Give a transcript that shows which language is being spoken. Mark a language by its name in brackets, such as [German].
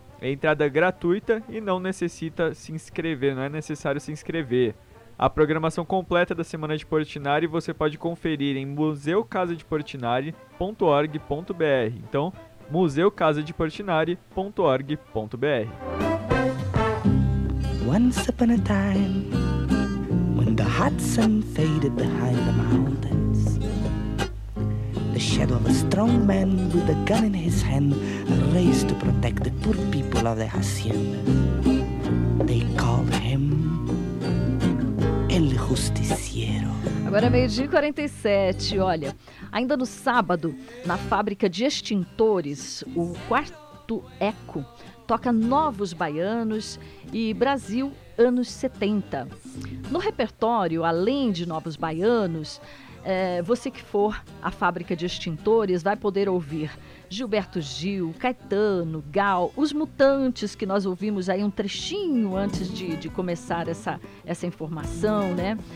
[Portuguese] É entrada gratuita e não é necessário se inscrever. A programação completa da Semana de Portinari você pode conferir em museucasadeportinari.org.br. Então, museucasadeportinari.org.br. [English] Once upon a time, when the hot sun faded behind the mountains, the shadow of a strong man with a gun in his hand raised to protect the poor people of the hacienda. They called him El Justiciero. [Portuguese] Agora é meio-dia 47. Olha, ainda no sábado, na fábrica de extintores, o Quarto Eco toca Novos Baianos e Brasil anos 70. No repertório, além de Novos Baianos, você que for à fábrica de extintores vai poder ouvir Gilberto Gil, Caetano, Gal, Os Mutantes, que nós ouvimos aí um trechinho antes de começar essa informação, né?